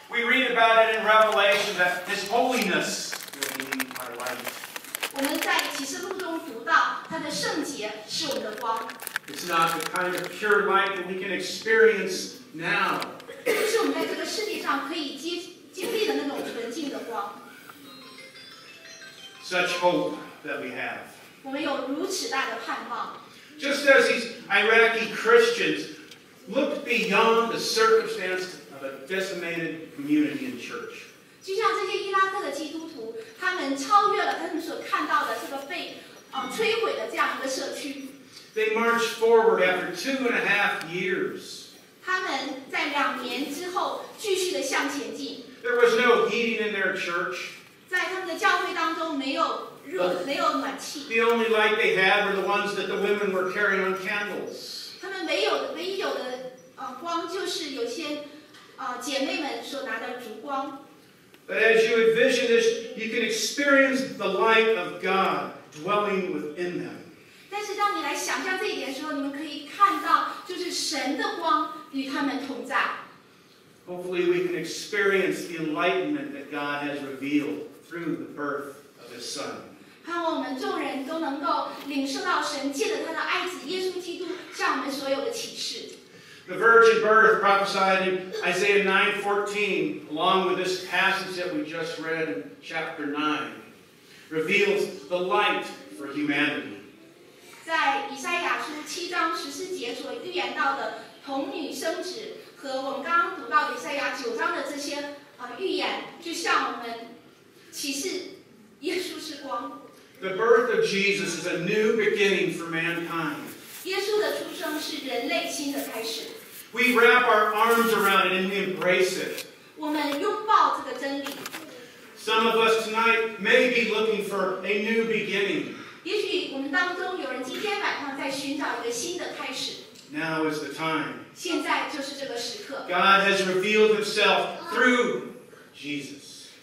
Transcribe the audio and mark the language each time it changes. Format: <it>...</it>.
<en>We read about it in Revelation that His holiness will be our light.</en> <zh>我们在启示录中读到，他的圣洁是我们的光。</zh> <en>It's not the kind of pure light that we can experience now.</en> <zh>不是我们在这个世界上可以经历的那种纯净的光。</zh> <en>Such hope that we have.</en> <zh>我们有如此大的盼望。</zh> <en>Just as these Iraqi Christians look beyond the circumstances of a decimated community and church.</en> <zh>就像这些伊拉克的基督徒，他们超越了他们所看到的这个被摧毁的这样一个社区。</zh> <en>They marched forward after 2.5 years.</en> <zh>他们在两年之后继续的向前进。</zh> <en>There was no heating in their church.</en> <zh>在他们的教会当中没有暖气。</zh> <en>The only light they had were the ones that the women were carrying on candles.</en> <zh>他们唯一有的光就是有些姐妹们所拿的烛光。</zh> <en>But as you envision this, you can experience the light of God dwelling within them.</en> <zh>但是当你来想象这一点的时候，你们可以看到就是神的光与他们同在。</zh> <en>Hopefully we can experience the enlightenment that God has revealed through the birth of His Son.</en> <zh>盼望我们众人都能够领受到神借着他的爱子耶稣基督向我们所有的启示。</zh> <en>The virgin birth prophesied in Isaiah 9:14, along with this passage that we just read in chapter 9, reveals the light for humanity.</en> <zh>在以赛亚书七章十四节所预言到的童女生子，和我们刚刚读到以赛亚九章的这些预言，就向我们启示耶稣是光。</zh> <en>The birth of Jesus is a new beginning for mankind.</en> <zh>耶稣的出生是人类新的开始。</zh> <en>We wrap our arms around it and we embrace it.</en> <zh>我们拥抱这个真理。</zh> <en>Some of us tonight may be looking for a new beginning. Now is the time. God has revealed himself through Jesus.</en>